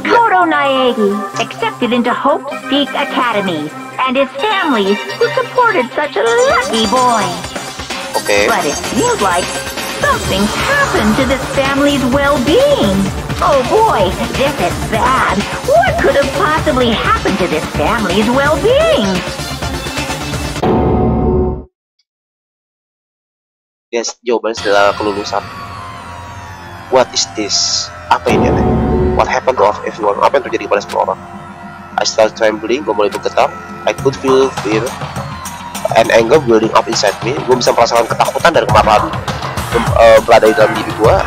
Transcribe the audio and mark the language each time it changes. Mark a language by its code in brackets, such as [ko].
[en] Makoto Naegi accepted into Hope's Peak Academy and his family who supported such a lucky boy. Okay. But it seems like something happened to this family's well-being. Oh boy, this is bad. What could have possibly happened to this family's well-being? [id] Yes, jawabannya adalah kelulusan. [en] What is this? [id] Apa ini aneh? [en] What happened to everyone? [id] Apa yang terjadi kepada semua orang? [en] I start trembling, [id] gue mulai bergetar. [en] I could feel fear and anger building up inside me. [id] Gue bisa merasakan ketakutan dan kemarahan berada di dalam diri gue.